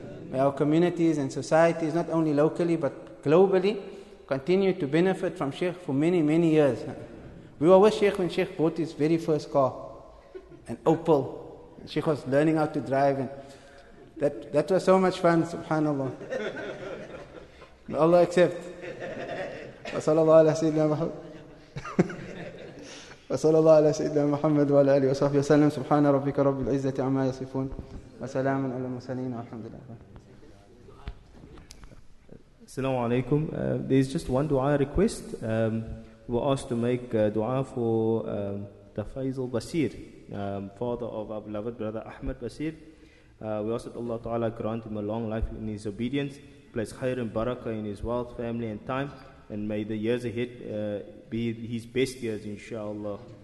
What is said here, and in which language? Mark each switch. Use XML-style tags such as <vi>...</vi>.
<en>May our communities and societies, not only locally but globally, continue to benefit from Sheikh for many, many years. We were with Sheikh when Sheikh bought his very first car, an Opel. Sheikh was learning how to drive, and that was so much fun, subhanAllah. May Allah accept.</en> <ar>وصلى الله على سيدنا محمد وصلى الله على سيدنا محمد وعلى آله وصحبه وسلم سبحان ربك رب العزة عما يصفون وسلام على المرسلين والحمد لله. السلام عليكم.</ar> <en>There is just one dua request. We were asked to make dua for the Faisal Basir, father of our beloved brother Ahmed Basir. We ask that Allah Ta'ala grant him a long life in his obedience, place khair and barakah in his wealth, family and time, and may the years ahead be his best years, inshallah.</en>